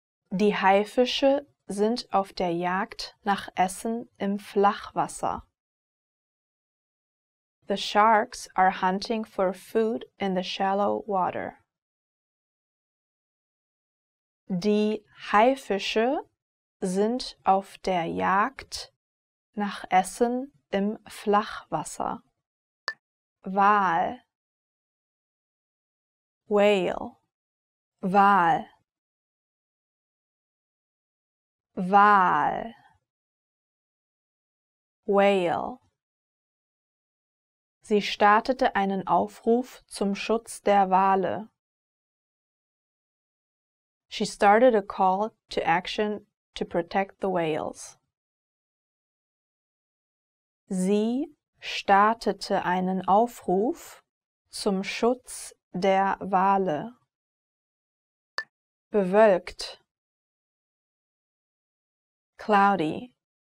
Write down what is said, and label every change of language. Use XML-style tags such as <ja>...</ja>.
<de>Die Haifische sind auf der Jagd nach Essen im Flachwasser.</de> <en>The sharks are hunting for food in the shallow water.</en> <de>Die Haifische sind auf der Jagd nach Essen im Flachwasser. Wal.</de> <en>Whale.</en> <de>Wal. Wal.</de> <en>Whale.</en> <de>Sie startete einen Aufruf zum Schutz der Wale.</de> <en>She started a call to action to protect the whales.</en> <de>Sie startete einen Aufruf zum Schutz der Wale. Bewölkt.</de> <en>Cloudy.</en>